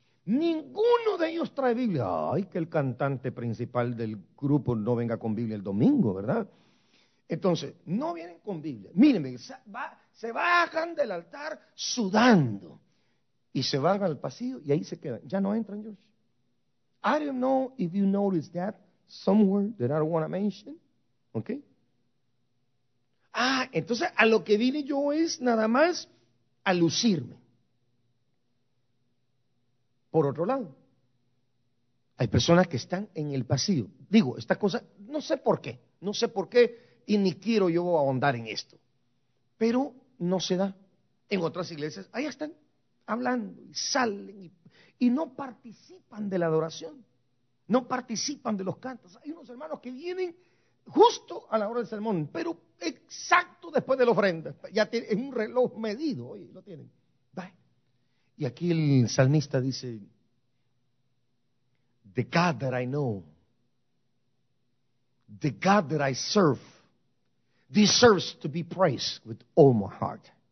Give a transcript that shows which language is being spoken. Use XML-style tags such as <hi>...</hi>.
<es>Ninguno de ellos trae Biblia. Ay, que el cantante principal del grupo no venga con Biblia el domingo, ¿verdad? Entonces, no vienen con Biblia. Mírenme, se bajan del altar sudando. Y se van al pasillo y ahí se quedan. Ya no entran,</es> <en>George. I don't know if you noticed that somewhere that I don't want to mention. ¿Ok?</en> <es>Ah, entonces a lo que vine yo es nada más a lucirme. Por otro lado, hay personas que están en el pasillo. Digo, esta cosa, no sé por qué. No sé por qué. Y ni quiero yo ahondar en esto. Pero no se da. En otras iglesias, ahí están hablando y salen y no participan de la adoración. No participan de los cantos. Hay unos hermanos que vienen justo a la hora del sermón, pero exacto después de la ofrenda. Ya tiene, es un reloj medido, oye, lo tienen.</es> <en>Bye.</en> <es>Y aquí el salmista dice,</es> <en>the God that I know, the God that I serve, deserves to be praised with all my heart.</en>